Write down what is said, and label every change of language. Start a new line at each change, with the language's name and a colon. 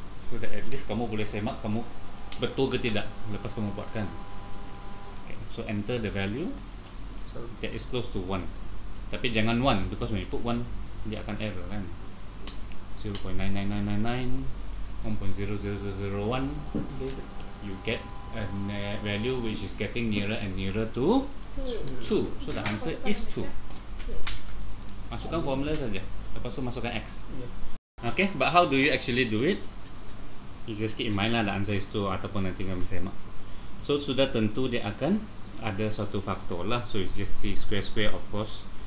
English: So that at least
Malay: kamu boleh semak kamu betul ke tidak lepas kamu buatkan.
English: So enter the value that is close to 1.
Malay: Tapi jangan 1
English: because when you put 1
Malay: dia akan error kan.
English: 0.99999 1.0001 you get a value which is getting nearer and nearer to 2. So the answer is 2.
Malay: Masukkan formula saja. Lepas tu masukkan X.
English: Okay, but how do you actually do it? You just keep in mind lah the answer is 2
Malay: ataupun nanti kamu semak. So sudah tentu dia akan ada satu faktor lah.
English: So it's just C square square of course.